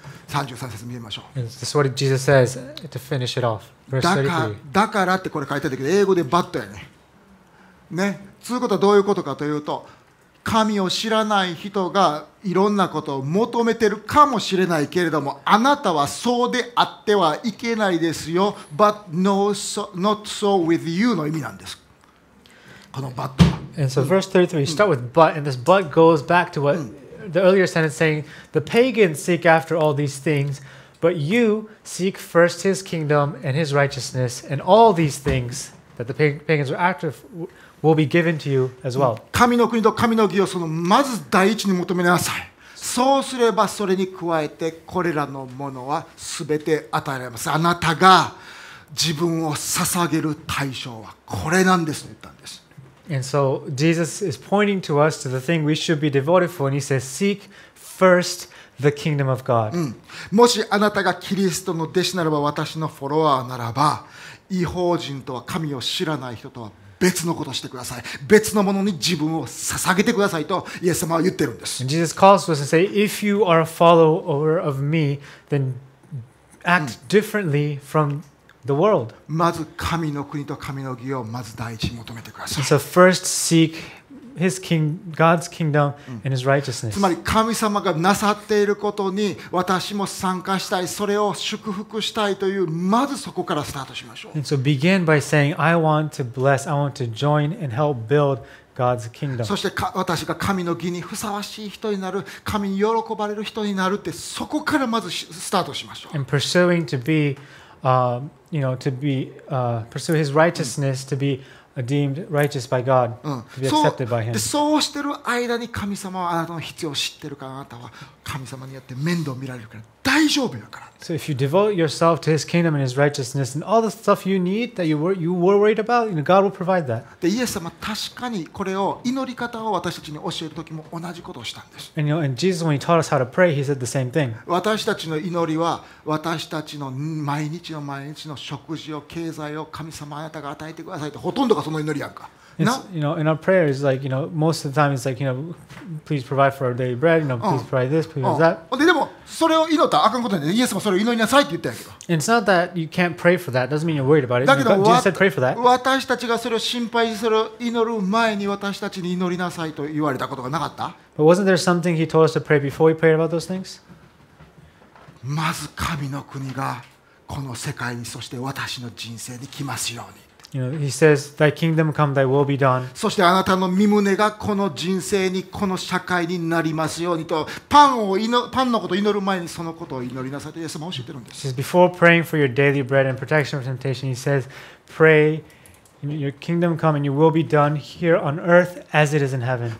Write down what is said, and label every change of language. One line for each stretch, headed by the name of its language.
Japanese: 33節見てみましょう。
English: This is what Jesus says to finish it off. Verse 33.
Japanese: だからってこれ書いてあるけど英語でバットやね。ね。つうことはどういうことかというと、神を知らない人がいろんなことを求めてるかもしれないけれども、あなたはそうであってはいけないですよ。
English: But no, so, not so with you
Japanese: の意味なんです。このバットは。
English: And so verse 33, you start with but, and this but goes back to what? The earlier sentence saying, the pagans seek after all these things, but you seek first his kingdom and his righteousness, and all these things that the pagans are after will be given to you as well.
Japanese: 神の国と神の義をそのまず第一に求めなさい。そうすればそれに加えてこれらのものはすべて与えられます。あなたが自分を捧げる対象はこれなんですと言ったんです。
English: And so Jesus is pointing to us to the thing we should be devoted for, and he says, "Seek first the kingdom of God."
Japanese: もしあなたがキリストの弟子ならば、私のフォロワーならば、異邦人とは神を知らない人とは別のことをしてください。別のものに自分を捧げてくださいとイエス様は言ってるんです。
English: Jesus calls us and say, "If you are a follower of me, then act differently from." The world.
Japanese: まず神の国と神の義をまず第一に求めてください。
English: So first seek his king, God's kingdom and his righteousness.
Japanese: つまり神様がなさっていることに私も参加したい、それを祝福したいというまずそこからスタートしましょう。
English: And so begin by saying, I want to bless, I want to join and help build God's kingdom.
Japanese: そして私が神の義にふさわしい人になる、神に喜ばれる人になるってそこからまずスタートしましょう。
English: And pursuing to be you know, to be pursue his righteousness, to be deemed righteous by God, to be accepted by him.
Japanese: そうしてる間に神様はあなたの必要を知ってるから、あなたは神様によって面倒を見られるから大丈夫だから。
English: So if you devote yourself to his kingdom and his righteousness and all the stuff you need that you were worried about, you know, God will provide that.
Japanese: で、イエス様確かにこれを祈り方を私たちに教える時も同じことをしたんです。
English: And you know, and Jesus when he taught us how to pray, he said the same thing.
Japanese: 私たちの祈りは私たちの毎日の毎日の食事を経済を神様あなたが与えてくださいってほとんどがその祈りやんか。
English: You know, and our prayer is like, you know, most of the time it's like, you know, please provide for our daily bread, you know, please provide this, please provide that.
Japanese: でもそれを祈ったあかんことで、イエスもそれを祈りなさいって言ったやけど。
English: And it's not that you can't pray for that. Doesn't mean you're worried about it. Jesus said pray for that.
Japanese: 私たちがそれを心配する祈る前に私たちに祈りなさいと言われたことがなかった。
English: But wasn't there something he told us to pray before we prayed about those things?
Japanese: まず神の国がこの世界にそして私の人生に来ますように。
English: You know, he says, "Thy kingdom come, thy will be done."
Japanese: そしてあなたの御旨がこの人生にこの社会になりますようにと、パンのことを祈る前にそのことを祈りなさいとイエス様は教えてるんです。
English: He says, "Before praying for your daily bread and protection from temptation, he says, pray, your kingdom come and your will be done here on earth as it is in heaven."